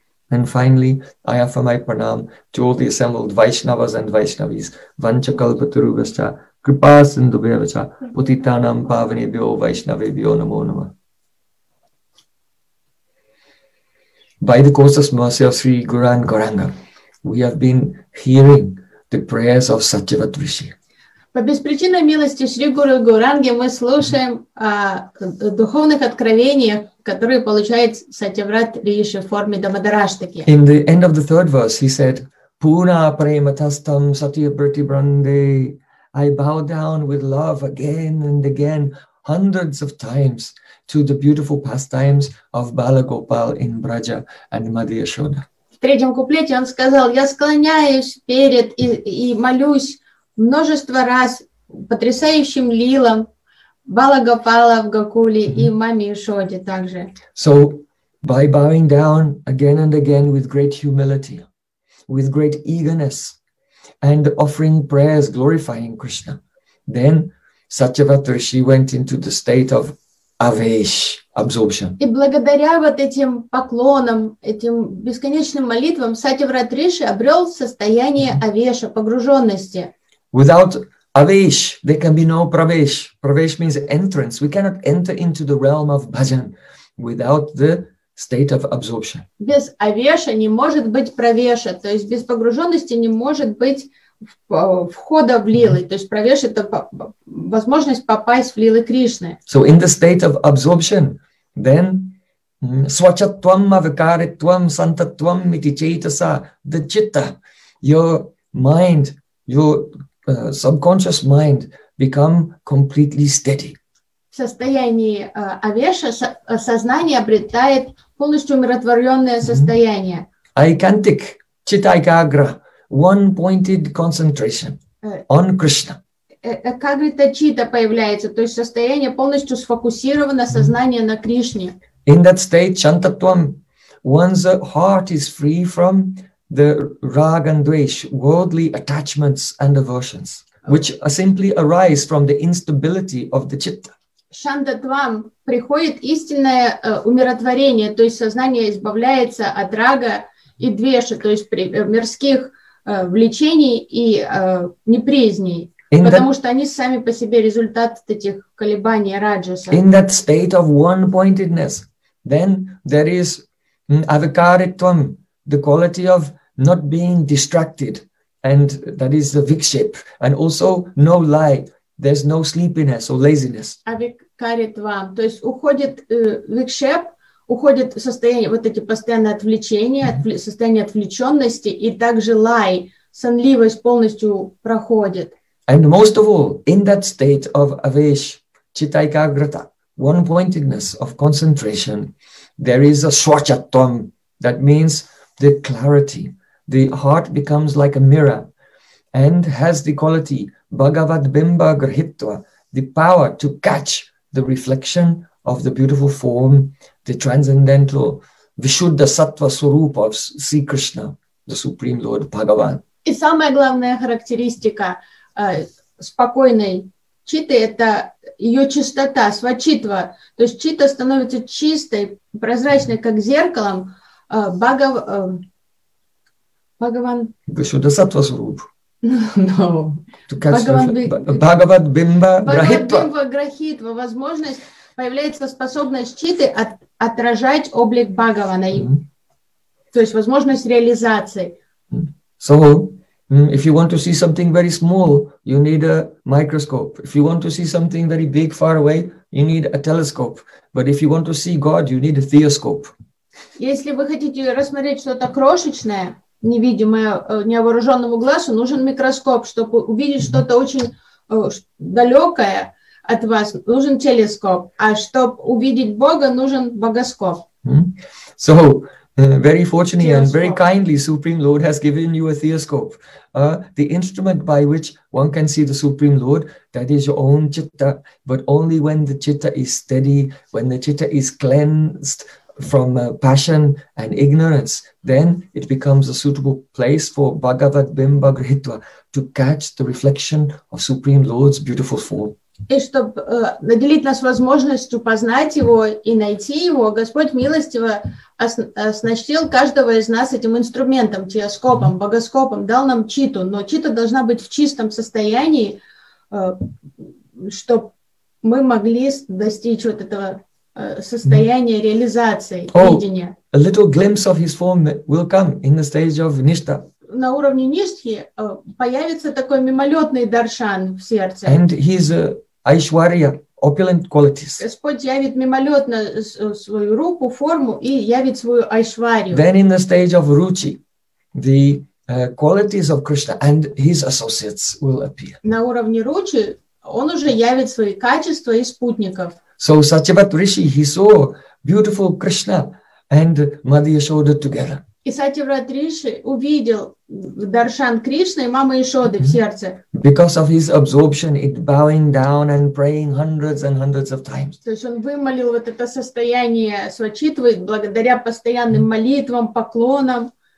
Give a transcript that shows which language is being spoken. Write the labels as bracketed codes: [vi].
[en] And finally, I offer my pranam to all the assembled Vaishnavas and Vaishnavis, [sa] Vanchakalpaturugascha, Kripasindubhyavacha, Putitanam Pavanebhyo Vaishnavebhyo Namo Nama. [en] By the causeless mercy of Sri Guran Goranga, we have been hearing the prayers of Satyavat Rishi. [ru] По беспричинной милости Шри Гуру Гуранги мы слушаем о духовных откровениях, которые получает Сатьяврат Риши в форме Дамодараштаки. [en] In the end of the third verse, he said, [sa] Puna prematastam satyabrati brande. [en] I bow down with love again and again, hundreds of times, to the beautiful pastimes of Balagopal in Braja and Madhya Shoda. [ru] В третьем куплете он сказал, я склоняюсь перед и молюсь множество раз потрясающим лилам Балагопала в Гокуле и Маме Ишоде также. [en] So, by bowing down again and again with great humility, with great eagerness, and offering prayers glorifying Krishna, then Satyavat Rishi went into the state of avesh, absorption. [ru] И благодаря вот этим поклонам, этим бесконечным молитвам, Сатьяврат Риши обрел состояние авеша, погруженности. [en] Without avesh, there can be no pravesh. Pravesh means entrance. We cannot enter into the realm of bhajan without the state of absorption. [ru] Без авеша не может быть правеша. То есть без погруженности не может быть входа в лилы. То есть правеш – это возможность попасть в лилы Кришны. [en] So in the state of absorption, then [sa] свачатвам авикаритвам сантатвам митичейтаса [en] the chitta, your mind, your subconscious mind become completely steady. [ru] В состоянии авеша сознание обретает полностью умиротворенное состояние. [en] Айкантик, читайкагра, one-pointed concentration on Krishna. [ru] как это чита появляется, то есть состояние полностью сфокусировано сознание на Кришне. [en] In that state, chantatvam, one's heart is free from the rag and dvesh, worldly attachments and aversions, which simply arise from the instability of the chitta. [ru] Шандатвам приходит истинное умиротворение, то есть сознание избавляется от рага и двеша, то есть мирских влечений и неприязней, потому что они сами по себе результат этих колебаний раджаса. [en] In that state of one-pointedness, then there is avikaritvam, the quality of not being distracted, and that is the vikshep, and also no lie, there's no sleepiness or laziness. [ru] Авикаритвам, то есть уходит викшеп, уходит состояние вот эти постоянные отвлечения, состояние отвлеченности, и также лай, сонливость полностью проходит. [en] And most of all, in that state of avesh, chitaikagrata, one-pointedness of concentration, there is a swachattvam, that means the clarity. The heart becomes like a mirror and has the quality Bhagavad Bimba Grahitva, the power to catch the reflection of the beautiful form, the transcendental Vishuddha Sattva Swarup of Sri Krishna, the Supreme Lord Bhagavan. [ru] И самая главная характеристика спокойной читы — это ее чистота, свачитва. То есть чита становится чистой, прозрачной, как зеркалом Bhagavan. [sa] Vishuddha Sattva Swarup. [en] No. [sa] Bhagavad Bimba Grahitva. Bhagavad Bimba Grahitva. [ru] Возможность, появляется способность читы отражать облик Бхагавана. То есть возможность реализации. [en] So, if you want to see something very small, you need a microscope. If you want to see something very big, far away, you need a telescope. But if you want to see God, you need a theoscope. [ru] Если вы хотите рассмотреть что-то крошечное, невидимое невооруженному глазу, нужен микроскоп, чтобы увидеть что-то очень далекое от вас, нужен телескоп, а чтобы увидеть Бога, нужен богоскоп. [en] So, very fortunately and very kindly, Supreme Lord has given you a theoscope, the instrument by which one can see the Supreme Lord, that is your own chitta, but only when the chitta is steady, when the chitta is cleansed from passion and ignorance, then it becomes a suitable place for Bhagavad Bimba Grahitva to catch the reflection of Supreme Lord's beautiful form. [ru] И чтобы наделить нас возможностью познать его и найти его, Господь милостиво оснастил каждого из нас этим инструментом, телескопом, богоскопом, дал нам читу. Но чита должна быть в чистом состоянии, чтобы мы могли достичь вот этого состояния реализации, видения. [en] A little glimpse of his form will come in the stage of nishtha. [ru] На уровне ништхи появится такой мимолетный даршан в сердце. [en] And his Aishwarya, opulent qualities. [ru] Господь явит мимолетно свою руку, форму и явит свою айшварию. [en] Then in the stage of ruchi, the qualities of Krishna and his associates will appear. [ru] На уровне ручи он уже явит свои качества и спутников. [en] So Satyavat Rishi, he saw beautiful Krishna and Mother Yashoda together. [ru] И Сатьяврат Риши увидел даршан Кришны и мамы Ишоды в сердце. [en] Because of his absorption, it bowing down and praying hundreds and hundreds of times. [ru] То есть он вымолил вот это состояние свачитвы благодаря постоянным молитвам, поклонам.